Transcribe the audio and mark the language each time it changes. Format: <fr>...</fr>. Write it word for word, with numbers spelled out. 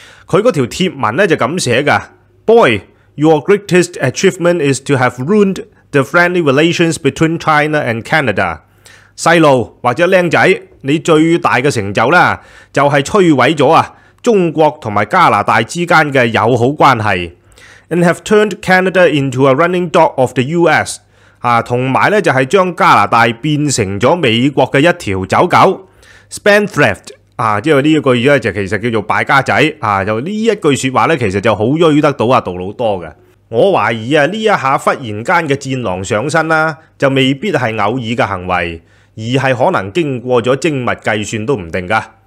<yue>佢嗰條貼文咧就咁寫㗎</yue> <en>：Boy, your greatest achievement is to have ruined The friendly relations between China and Canada。</en> <yue>細路或者僆仔，你最大嘅成就啦，就係摧毀咗啊中國同埋加拿大之間嘅友好關係。</yue> <en>And have turned Canada into a running dog of the ยู S。</en> <yue>啊，同埋咧就係將加拿大變成咗美國嘅一條走狗。 Spendthrift 啊，即係呢一句咧就其實叫做敗家仔啊。就呢一句説話咧，其實就好鋭得到啊杜魯多嘅。我懷疑啊，呢一下忽然間嘅戰狼上身啦，就未必係偶爾嘅行為，而係可能經過咗精密計算都唔定㗎。</yue>